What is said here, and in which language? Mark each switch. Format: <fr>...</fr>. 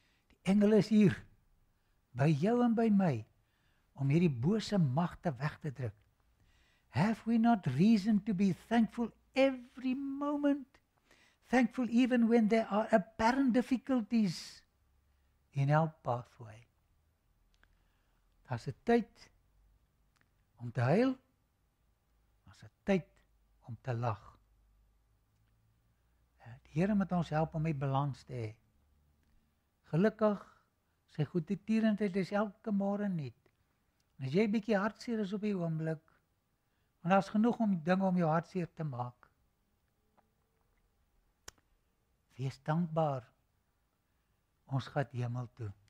<af>Die engel is hier, by jou en by my, om hierdie bose magte weg te druk.</af> <en>Have we not reason to be thankful every moment? Thankful even when there are apparent difficulties in our pathway.</en> <af>Daar's 'n tyd om te huil, daar's 'n tyd om te lag. Die Heere moet ons help om die balans te hê. Gelukkig, sy goede tierendheid is elke môre nuut. En as jy 'n bietjie hartseer is op die oomblik, want daar is genoeg om dinge om jou hartseer te maak. Wees dankbaar, ons gaat hemel toe.</af>